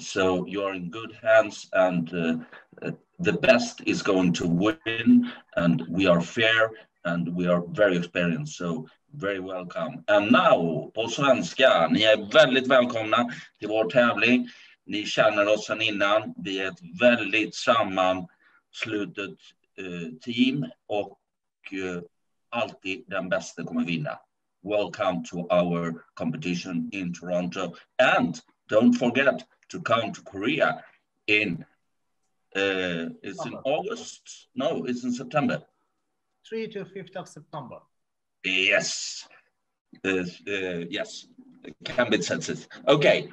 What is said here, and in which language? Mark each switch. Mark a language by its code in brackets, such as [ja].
[en] So you are in good hands, and the best is going to win, and we are fair. And we are very experienced, so very welcome. And now, [sv] på svenska, ni är väldigt välkomna till vår tävling. Ni känner oss sedan innan. Vi är ett väldigt sammanslutet team och alltid den bästa kommer vinna. [en] Welcome to our competition in Toronto. And don't forget to come to Korea in, it's in August? No, it's in September. 3 to 5th of September. Yes. Yes. Cambit says it. Okay.